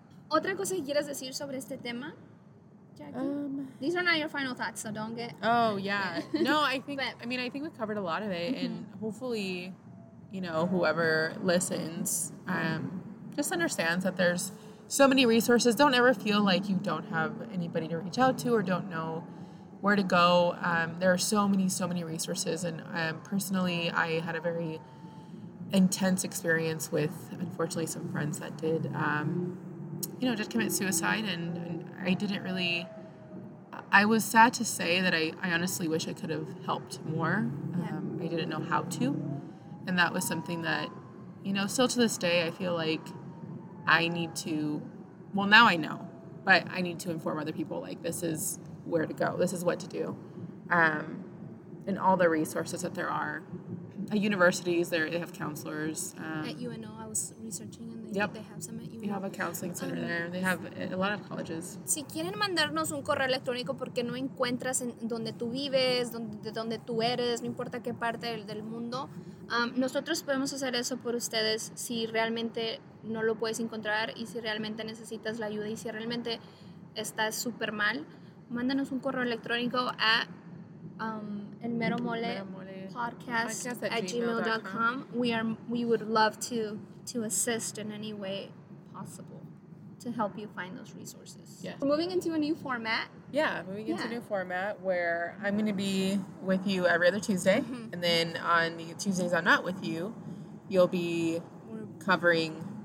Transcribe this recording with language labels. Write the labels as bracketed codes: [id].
[es] Otra cosa que quieras decir sobre este tema, Jackie? [en] These are not your final thoughts, so don't get I think we covered a lot of it, and hopefully, you know, whoever listens just understands that there's so many resources. Don't ever feel like you don't have anybody to reach out to or don't know where to go. There are so many resources. And personally, I had a very intense experience with, unfortunately, some friends that did commit suicide. And I didn't really... I was sad to say that I honestly wish I could have helped more. I didn't know how to. And that was something that, you know, still to this day, I feel like I need to, well, now I know, but I need to inform other people, like, this is where to go. This is what to do. And all the resources that there are. At universities, they have counselors. At UNO, I was researching, and they have some at UNO. They have a counseling center there. They have a lot of colleges. [es] Si quieren mandarnos un correo electrónico porque no encuentras en donde tú vives, donde tú eres, no importa qué parte del mundo, nosotros podemos hacer eso por ustedes si realmente no lo puedes encontrar y si realmente necesitas la ayuda y si realmente estás súper mal, mándanos un correo electrónico a elmeromolepodcast@gmail.com. [en] We would love to assist in any way possible to help you find those resources. Yes. We're moving into a new format. Into a new format where I'm going to be with you every other Tuesday. Mm-hmm. And then on the Tuesdays I'm not with you, you'll be covering